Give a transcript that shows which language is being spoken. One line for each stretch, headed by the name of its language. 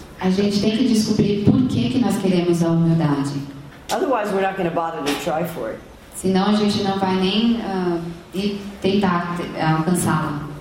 Portuguese: A gente tem que descobrir por que nós queremos a humildade.
English: Otherwise, we're not going to bother to try for it.
Portuguese: Senão a gente não vai nem tentar alcançá-la.